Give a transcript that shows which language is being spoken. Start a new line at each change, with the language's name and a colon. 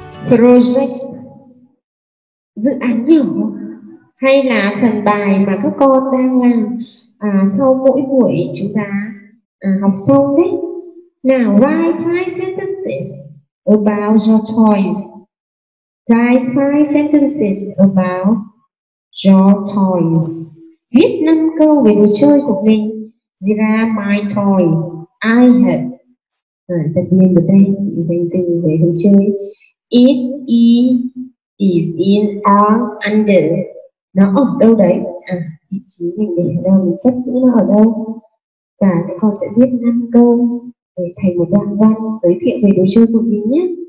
Vietnamese: Project, dự án nhỏ hay là phần bài mà các con đang làm sau mỗi buổi chúng ta học xong đấy.
English: Now, write 5 sentences about your toys. Write 5 sentences about your toys.
Vietnamese: Viết 5 câu về đồ chơi của mình.
English: These are my toys. I have.
Vietnamese: Tất nhiên ở đây dành từ về đồ chơi.
English: It is in or under.
Vietnamese: Nó ở đâu đấy? À, vị trí mình để ở đâu, mình cất giữ nó ở đâu? Và các con sẽ viết 5 câu để thành một đoạn văn giới thiệu về đồ chơi của mình nhé.